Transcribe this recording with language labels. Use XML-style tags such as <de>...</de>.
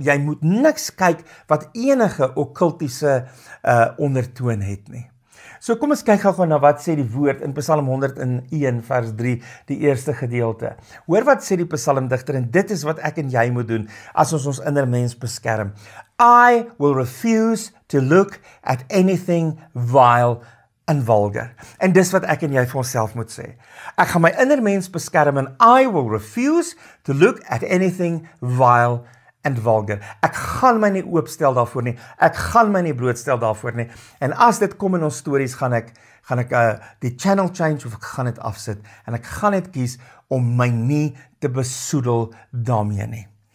<af>Jy moet niks kyk wat enige okkultiese ondertoon het nie. So kom ons kyk gou na wat sê die woord in Psalm 101 vers 3, die eerste gedeelte. Hoor wat sê die psalmdigter en dit is wat ek en jy moet doen as ons inner mens beskerm.</af> <en>I will refuse to look at anything vile and vulgar.</en> <af>En dis wat ek en jy vir onsself moet sê. Ek gaan my inner mens beskerm en</af> <en>I will refuse to look at anything vile and vulgar.</en> <af>Ek gaan my nie oopstel daarvoor nie. Ek gaan my nie blootstel daarvoor nie. En as dit kom in ons stories, gaan ek die channel change of ek gaan dit afsit en ek gaan net kies om my nie te besoedel daarmee nie.</af>